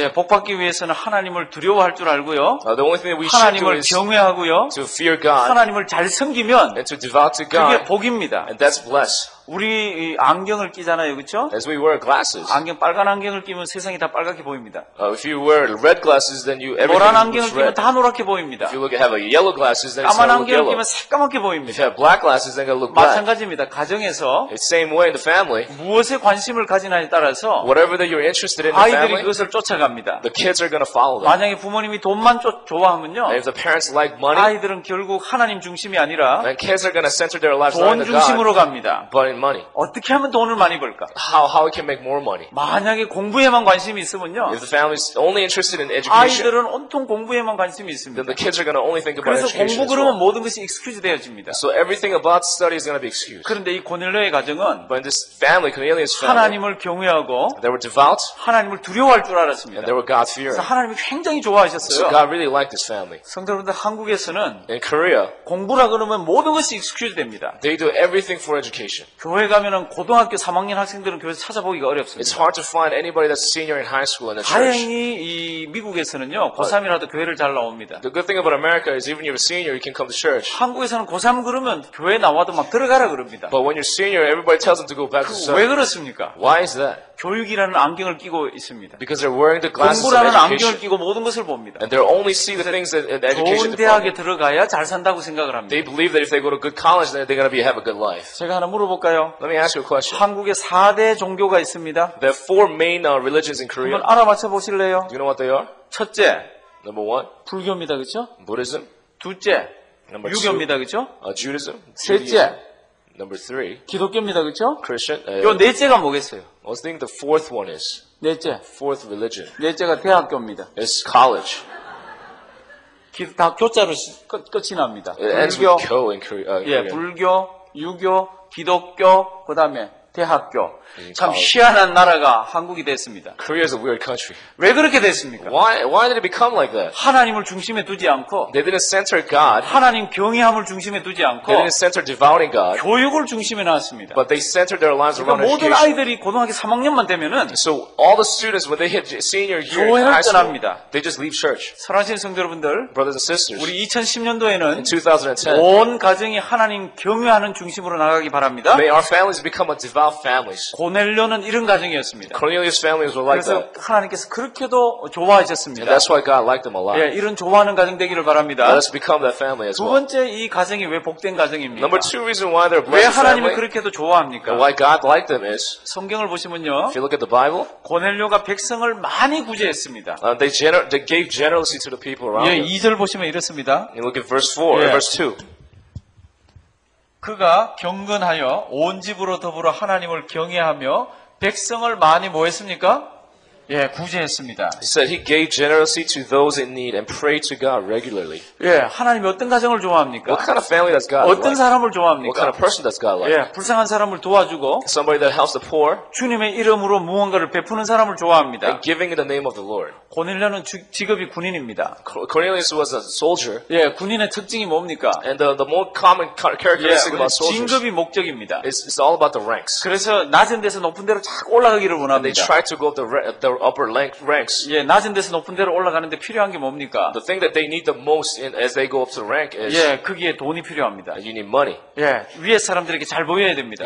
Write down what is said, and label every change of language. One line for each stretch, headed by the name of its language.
Korean: 예, 복받기 위해서는 하나님을 두려워할 줄 알고요.
English: The only thing
Korean: 하나님을 경외하고요.
English: To fear God,
Korean: 하나님을 잘 섬기면
English: and to devout to God,
Korean: 그게 복입니다.
English: And that's blessed.
Korean: 우리 안경을 끼잖아요, 그렇죠?
English: As we wear glasses.
Korean: 안경 빨간 안경을 끼면 세상이 다 빨갛게 보입니다.
English: If you wear red glasses, then you everything looks red.
Korean: 노란 안경을 끼면 다 노랗게 보입니다.
English: If you look, have a yellow glasses, then
Korean: 까만 안경을 끼면 새까맣게 보입니다.
English: If you have black glasses, then it looks black.
Korean: 마찬가지입니다. 가정에서
English: It's same way in the family.
Korean: 무엇에 관심을 가지냐에 따라서
English: whatever that you're interested in,
Korean: 아이들이 그것을 쫓아갑니다.
English: The kids are gonna follow them.
Korean: 만약에 부모님이 돈만 좋아하면요,
English: if the parents like money,
Korean: 아이들은 결국 하나님 중심이 아니라
English: then kids are gonna center their lives around God.
Korean: 돈 중심으로 갑니다.
English: But in money.
Korean: 어떻게 하면 돈을 많이 벌까?
English: How we can make more money?
Korean: 만약에 공부에만 관심이 있으면요.
English: If the family is only interested in education.
Korean: 아이들은 온통 공부에만 관심이 있습니다.
English: Then the kids are going to only think about education.
Korean: 그래서 공부 그러면 모든 것이 excuse 되어집니다.
English: So everything about study is going to be excused.
Korean: 그런데 이 고넬료의 가정은
English: But in this family, Cornelius family,
Korean: 하나님을 경외하고
English: They were devout.
Korean: 하나님을 두려워할 줄 알았습니다.
English: And they were God-fearing.
Korean: 그래서 하나님이 굉장히 좋아하셨어요.
English: So God really liked this family.
Korean: 성도분들 한국에서는
English: In Korea,
Korean: 공부라 그러면 모든 것이 excuse 됩니다.
English: They do everything for education.
Korean: 교회 가면은 고등학교 3학년 학생들은 교회에서 찾아보기가 어렵습니다.
English: It's hard to find anybody that's senior in high school in the church.
Korean: 다행히 이 미국에서는요. 고3이라도 교회를 잘 나옵니다.
English: The good thing about America is even if you're a senior you can come to church.
Korean: 한국에서는 고3 그러면 교회 나와도 막 들어가라 그럽니다.
English: But when you're senior everybody tells them to go back to school.
Korean: 왜 그렇습니까?
English: Why is that?
Korean: 교육이라는 안경을 끼고 있습니다.
English: Because they're wearing the glasses.
Korean: 공부라는 안경을 끼고 모든 것을 봅니다.
English: And they only see the things that education department.
Korean: 좋은 대학에 들어가야 잘 산다고 생각을 합니다.
English: They believe that if they go to good college then they're going to have a good life.
Korean: 제가 하나 물어볼까요?
English: Let me ask you a question.
Korean: 한국에 4대 종교가 있습니다.
English: There are four main religions in Korea.
Korean: 한번 알아맞혀 보실래요?
English: Do you know what they are?
Korean: 첫째.
English: Number one.
Korean: 불교입니다. 그렇죠?
English: Buddhism.
Korean: 둘째.
English: Number
Korean: 유교입니다. 그렇죠?
English: Judaism.
Korean: 셋째.
English: Number three.
Korean: 기독교입니다. 그렇죠?
English: Christian.
Korean: 요 넷째가 뭐겠어요?
English: I think the fourth one is.
Korean: 넷째.
English: Fourth religion.
Korean: 넷째가 대학교입니다.
English: It's college.
Korean: 다 교자로 끝이 납니다.
English: It 불교. Ends with 교 in Korea.
Korean: 예, 불교, 유교, 기독교, 그다음에 대학교. 참 희한한 나라가 한국이 됐습니다.
English: Korea is a weird country.
Korean: 왜 그렇게 됐습니까?
English: Why did it become like that?
Korean: 하나님을 중심에 두지 않고.
English: They didn't center God.
Korean: 하나님 경외함을 중심에 두지 않고.
English: They didn't center devouring God.
Korean: 교육을 중심에 놨습니다.
English: But they centered their lives around education.
Korean: 모든 아이들이 고등학교 3학년만 되면은.
English: So all the students when they hit senior year,
Korean: 교회를 떠납니다.
English: They just leave church.
Korean: 사랑하는 성도 여러분들.
English: Brothers and sisters.
Korean: 우리 2010년도에는
English: 2010,
Korean: 온 가정이 하나님 경외하는 중심으로 나가기 바랍니다.
English: May our families become a devout families.
Korean: 고넬료는 이런 가정이었습니다.
English: Cornelius families were like that.
Korean: 그래서 하나님께서 그렇게도 좋아하셨습니다.
English: That's why God liked them a lot.
Korean: 예, 이런 좋아하는 가정 되기를 바랍니다.
English: Let's become that family as well.
Korean: 두 번째 이 가정이 왜 복된 가정입니까?
English: Number two reason why they're blessed.
Korean: 왜 하나님이 그렇게도 좋아합니까?
English: Why God liked them is.
Korean: 성경을 보시면요.
English: If you look at the Bible.
Korean: 고넬료가 백성을 많이 구제했습니다.
English: They gave generously to the people around.
Korean: 예, 2절 보시면 이렇습니다.
English: You look at verse 4 or verse 2.
Korean: 그가 경건하여 온 집으로 더불어 하나님을 경외하며 백성을 많이 뭐 했습니까? 예, 구제했습니다.
English: He said he gave generously to those in need and prayed to God regularly.
Korean: 예, 하나님이 어떤 가정을 좋아합니까?
English: What kind of family does God like?
Korean: 어떤 사람을 좋아합니까?
English: What kind of person does God like?
Korean: 예, 불쌍한 사람을 도와주고
English: somebody that helps the poor.
Korean: 주님의 이름으로 무언가를 베푸는 사람을 좋아합니다.
English: And giving in the name of the Lord.
Korean: 고넬료는 직업이 군인입니다.
English: Cornelius was a soldier.
Korean: 예, 군인의 특징이 뭡니까?
English: And the more common characteristic about soldiers.
Korean: 진급이 목적입니다.
English: It's all about the ranks.
Korean: 그래서 낮은 데서 높은 데로 자꾸 올라가기를 원합니다.
English: And they try to go up the upper ranks.
Korean: 예, 낮은 데서 높은 데로 올라가는데 필요한 게 뭡니까?
English: The thing that they need the most in, as they go up the rank is.
Korean: 예, 거기에 돈이 필요합니다.
English: You need money.
Korean: 예, 위에 사람들에게 잘 보여야 됩니다.